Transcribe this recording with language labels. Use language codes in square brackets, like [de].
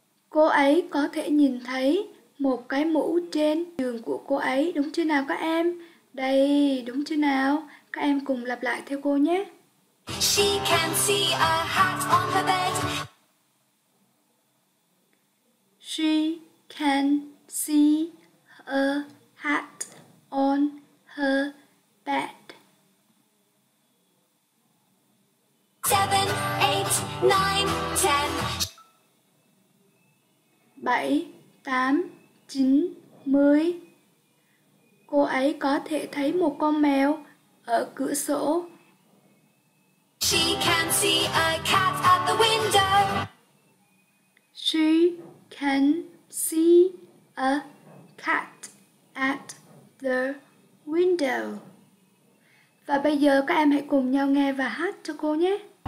[vi] Cô ấy có thể nhìn thấy một cái mũ trên giường của cô ấy, đúng chưa nào các em? Đây, đúng chưa nào? Các em cùng lặp lại theo cô nhé. [en] She can see a hat on her bed. She can see a hat on her bed. 7, 8, 9, 10. 7, 8, 9, 10. [vi] Cô ấy có thể thấy một con mèo ở cửa sổ. [en] She can see a cat at the window. She can see a cat at the window. [vi] Và bây giờ các em hãy cùng nhau nghe và hát cho cô nhé.